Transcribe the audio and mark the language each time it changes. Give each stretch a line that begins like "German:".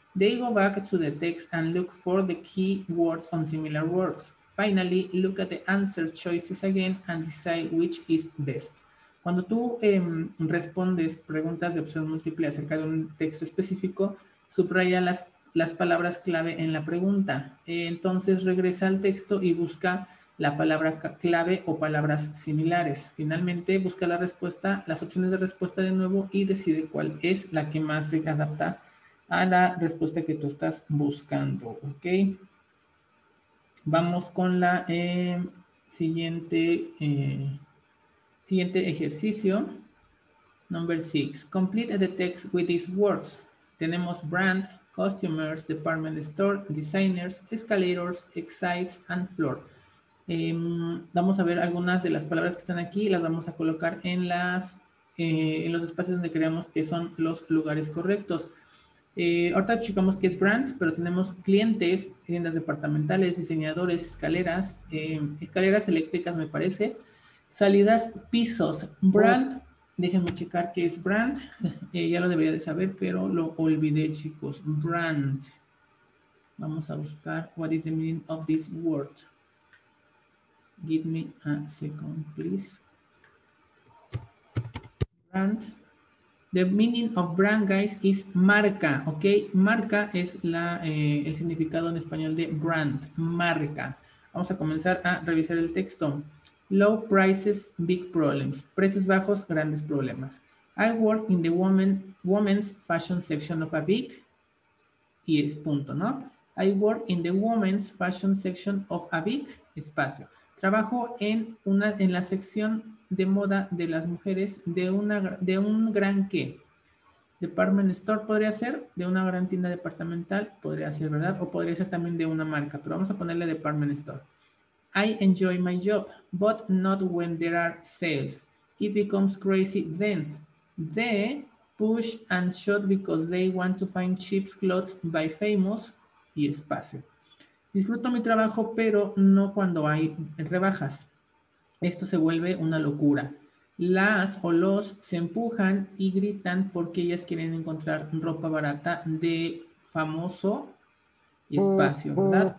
English: They go back to the text and look for the key words on similar words. Finally, look at the answer choices again and decide which is best.
Spanish: Cuando tú respondes preguntas de opción múltiple acerca de un texto específico, subraya las palabras clave en la pregunta. Entonces regresa al texto y busca la palabra clave o palabras similares. Finalmente, busca la respuesta, las opciones de respuesta de nuevo y decide cuál es la que más se adapta a la respuesta que tú estás buscando, ¿ok? Vamos con la siguiente ejercicio. Number 6.
English: Complete the text with these words.
Spanish: Tenemos brand, customers, department store, designers, escalators, exits, and floor. Vamos a ver algunas de las palabras que están aquí, las vamos a colocar en las en los espacios donde creamos que son los lugares correctos. Ahorita checamos que es brand, pero tenemos clientes, tiendas departamentales, diseñadores, escaleras, escaleras eléctricas, me parece, salidas, pisos, brand. Déjenme checar qué es brand. Ya lo debería de saber, pero lo olvidé, chicos.
English: Brand.
Spanish: Vamos a buscar
English: what is the meaning of this word. Give me a second, please. Brand. The meaning of brand, guys, is marca, ¿ok?
Spanish: Marca es la, el significado en español de brand, marca. Vamos a comenzar a revisar el texto.
English: Low prices, big problems.
Spanish: Precios bajos, grandes problemas.
English: I work in the women's fashion section of a big.
Spanish: Y es punto, ¿no?
English: I work in the women's fashion section of a big.
Spanish: Espacio. Trabajo en una, en la sección de moda de las mujeres de una, de un gran qué. Department store podría ser, de una gran tienda departamental podría ser, ¿verdad? O podría ser también de una marca, pero vamos a ponerle department store.
English: I enjoy my job, but not when there are sales. It becomes crazy then. They push and shout because they want to find cheap clothes by famous
Spanish: y espacio. Disfruto mi trabajo, pero no cuando hay rebajas. Esto se vuelve una locura. Las o los se empujan y gritan porque ellas quieren encontrar ropa barata de famoso y espacio, ¿verdad?